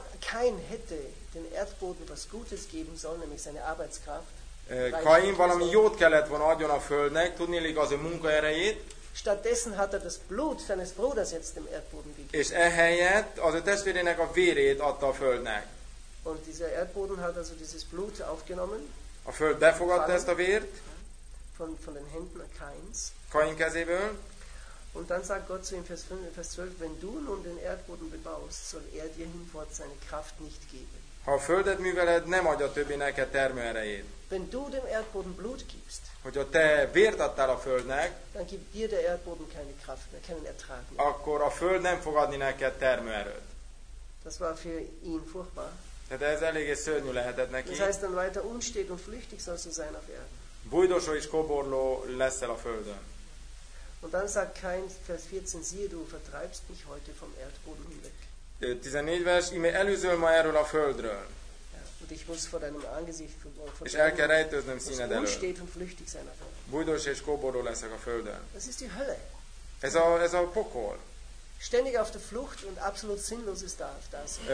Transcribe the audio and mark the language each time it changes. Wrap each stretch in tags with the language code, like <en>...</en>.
<de>Kain hätte den Erdboden was Gutes geben sollen, nämlich seine Arbeitskraft.</de> <hu>Kain valami jót kellett volna adjon a földnek, tudnélik az ő munkaerejét.</hu> <de>Stattdessen hat das Blut seines Bruders jetzt dem Erdboden gegeben.</de> <hu>És ehelyett az ő testvérének a vérét adta a földnek.</hu> <de>Und dieser Erdboden hat also dieses Blut aufgenommen.</de> <hu>A föld befogadta ezt a vért.</hu> <de>Von den Händen Kains.</de> <hu>Kain kezéből.</hu> <de>Und dann sagt Gott zu ihm, Vers 5, Vers 12, wenn du nun den Erdboden bebaust, soll er dir hinfort seine Kraft nicht geben.</de> <hu>Ha a földet műveled, nem adja többé neked termőerejét.</hu> <de>Wenn du dem Erdboden Blut gibst,</de> <hu>hogyha te vért adtál a földnek,</hu> <de>dann gibt dir der Erdboden keine Kraft mehr, keinen Ertrag mehr.</de> <hu>Akkor a föld nem fog adni neked termőerőt.</hu> <de>Das war für ihn furchtbar.</de> <hu>Tehát ez eléggé szörnyű lehetett neki.</hu> <de>Das heißt, dann weiter unstet und flüchtig sollst du sein auf Erden.</de> <hu>Bújdosó és koborló leszel a földön.</hu> <de>Und dann sagt Kain, Vers 14, siehe, du vertreibst mich heute vom Erdboden hinweg.</de> <hu>14 vers, íme elűzöl ma erről a földről.</hu> <de>Und ich muss vor deinem Angesicht,</de> <hu>és el kell rejtőznöm színed előtt. Bújdos és kóborló leszek a földön.</hu> <de>Das ist die Hölle.</de> <hu>Ez a pokol.</hu> <de>Ständig auf der Flucht und absolut sinnlos ist das.</de>